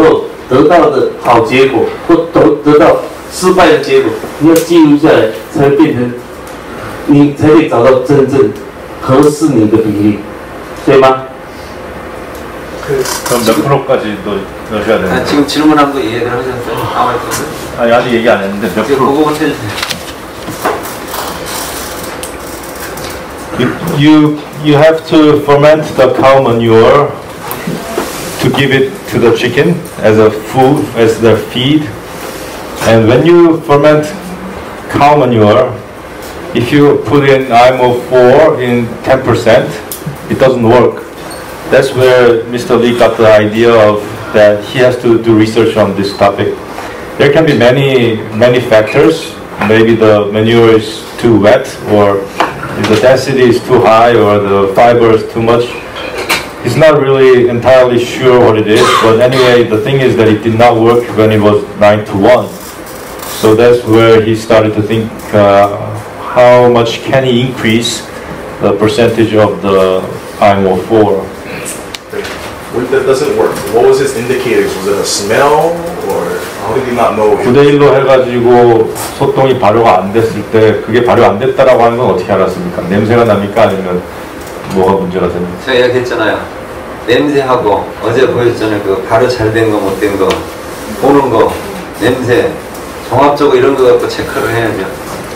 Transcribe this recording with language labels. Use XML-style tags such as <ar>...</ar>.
<zh>就算你没有，你从食品加工厂可以拿到啊，或者是饭店可以拿到厨艺，不要硬是要学习别人的方法，然后你要别人告诉你，那个比例你拿回去用未必合适，都是经过自己尝试，然后种了以后得到的好结果或得到。失败的结果，你要记录下来，才会变成你才可以找到真正合适你的比例，对吗？可以。那</zh> <ko>몇%까지도 넣으셔야 돼요? 지금 질문한 거 이해를 하셨어요? 아직 얘기 안 했는데 몇 프로? 그거 해주세요.</ko> <en>You have to ferment the cow manure to give it to the chicken as a food, as their feed. And when you ferment cow manure, if you put in IMO4 in 10%, it doesn't work. That's where Mr. Lee got the idea of that he has to do research on this topic. There can be many, many factors. Maybe the manure is too wet, or the density is too high, or the fiber is too much. He's not really entirely sure what it is, but anyway, the thing is that it did not work when it was 9:1. So that's where he started to think how much can he increase the percentage of the IMO4. That doesn't work. What was his indicators? Was it a smell or how did he not know?</en> <ko>9:1로 해가지고 소똥이 발효가 안 됐을 때 그게 발효 안 됐다라고 하는 건 어떻게 알았습니까? 냄새가 납니까? 아니면 뭐가 문제가 됩니까? 제가 얘기했잖아요. 냄새하고 어제 보여줬잖아요. 그 발효 잘 된 거 못 된 거 보는 거 냄새 종합적으로 이런 거 갖고 체크를 해야죠.</ko>